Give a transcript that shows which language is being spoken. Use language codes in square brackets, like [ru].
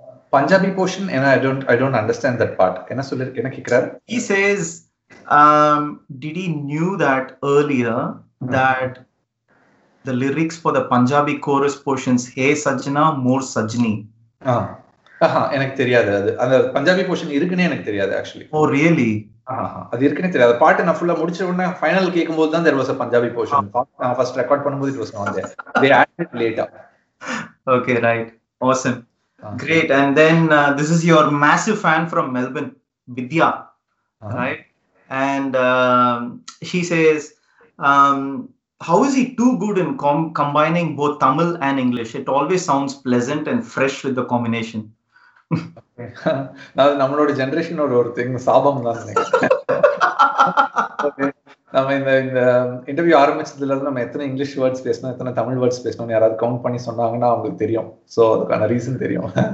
[en] Punjabi portion, and I don't understand that part. [ta] Enna solir enna kekkar, [en] he says did he knew that earlier, that the lyrics for the Punjabi chorus portions, Hey Sajna More Sajni. [ta] எனக்கு தெரியாது அது, அந்த Punjabi portion இருக்குன்னு எனக்கு தெரியாது actually. [en] Oh really? [ta] அது இருக்குனே தெரியாது. பாட்டு நான் ஃபுல்லா முடிச்ச உடனே ஃபைனல் கேட்கும் போது தான் [en] There was a Punjabi portion. [ta] நான் ஃபர்ஸ்ட் ரெக்கார்ட் பண்ணும்போது [en] It was not there. They added it later. Okay, right. Awesome. Great. And then this is your massive fan from Melbourne, Vidya. Right. And she says How is he too good in combining both Tamil and English? It always sounds pleasant and fresh with the combination. [ta] Now, நம்மளோட generation ஒரு thing சாபம் தான். நம்ம இந்த interview ஆரம்பிச்சதுல இருந்து நம்ம எத்தனை English words பேசணும், எத்தனை தமிழ் வேர்ட்ஸ் பேசணும்னு யாராவது கவுண்ட் பண்ணி சொன்னாங்கன்னா அவங்களுக்கு தெரியும். ஸோ அதுக்கான ரீசன் தெரியும்.